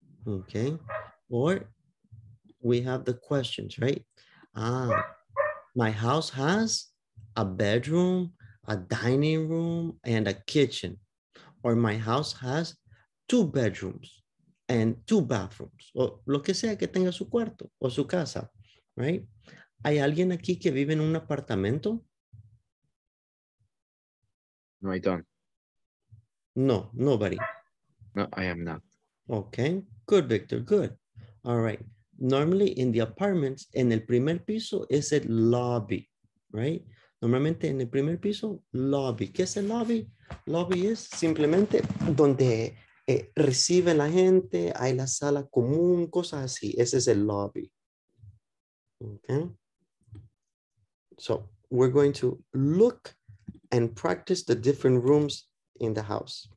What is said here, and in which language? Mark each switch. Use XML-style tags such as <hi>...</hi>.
<en>Okay. Or we have the questions, right? My house has a bedroom, a dining room, and a kitchen. Or my house has two bedrooms and two bathrooms.</en> <es>O lo que sea que tenga su cuarto o su casa, right? ¿Hay alguien aquí que vive en un apartamento?</es> <en>No, I don't. No, nobody. No, I am not. Okay, good, Victor, good. All right. Normally in the apartments,</en> <es>en el primer piso es el lobby,</es> <en>right?</en> <es>Normalmente en el primer piso, lobby. ¿Qué es el lobby? Lobby es simplemente donde recibe la gente, hay la sala común, cosas así. Ese es el lobby. Okay.</es> <en>So we're going to look and practice the different rooms in the house.</en>